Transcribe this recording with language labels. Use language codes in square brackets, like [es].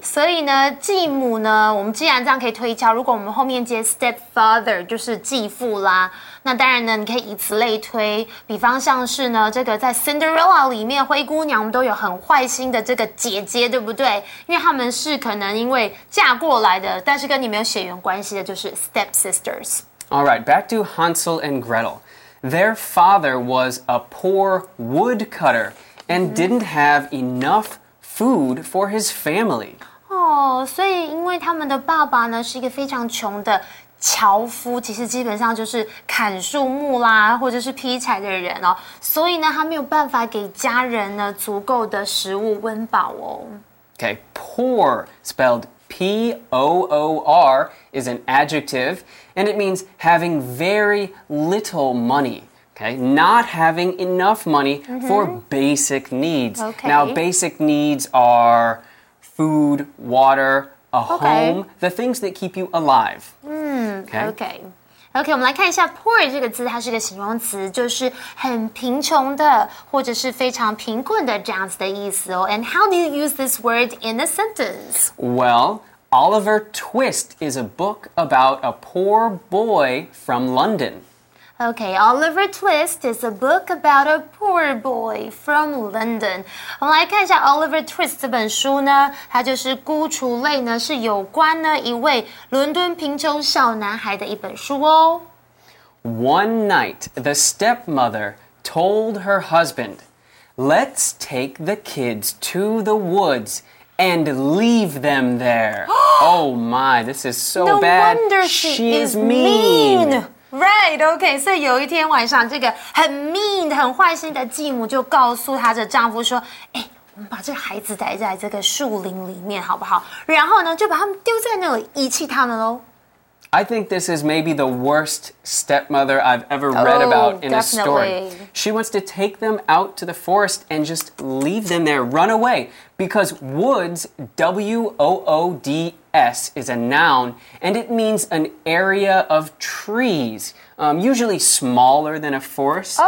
[zh] 所以呢继母呢我们既然这样可以推敲如果我们后面接 stepfather, 就是继父啦那当然呢你可以以此类推比方像是呢这个在 Cinderella 里面灰姑娘我们都有很坏心的这个姐姐对不对因为他们是可能因为嫁过来的但是跟你没有血缘关系的就是 stepsisters. [en] All right, back to Hansel and Gretel. Their father was a poor woodcutter and didn't have enough food for his family. [zh] Oh, 所以因为他们的爸爸呢是一个非常穷的樵夫，其实基本上就是砍树木啦，或者是劈柴的人哦。所以呢，他没有办法给家人呢足够的食物温饱哦。 [en] Okay, poor spelled P-O-O-R is an adjective. And it means having very little money, okay? Not having enough money for basic needs. Okay. Now, basic needs are food, water, a home, the things that keep you alive. [zh] Okay, 我们来看一下 poor 这个字，它是个形容词，就是很贫穷的，或者是非常贫困的这样子的意思哦。 [en] And how do you use this word in a sentence? Well... Oliver Twist is a book about a poor boy from London. Okay, Oliver Twist is a book about a poor boy from London. [zh] 我们来看一下 Oliver Twist 这本书呢，它就是孤雏类呢，是有关呢一位伦敦贫穷小男孩的一本书哦。 [en] One night, the stepmother told her husband, "Let's take the kids to the woods." And leave them there. Oh my, this is so no bad. No wonder she is mean. Right, okay. [zh] 所以有一天晚上，这个很 mean、很坏心的继母就告诉她的丈夫说：“哎，我们把这个孩子带在这个树林里面，好不好？” 然后呢，就把他们丢在那里遗弃他们喽。 [en] I think this is maybe the worst stepmother I've ever read about in a story. She wants to take them out to the forest and just leave them there, run away. Because woods, W-O-O-D-S, is a noun, and it means an area of trees, usually smaller than a forest.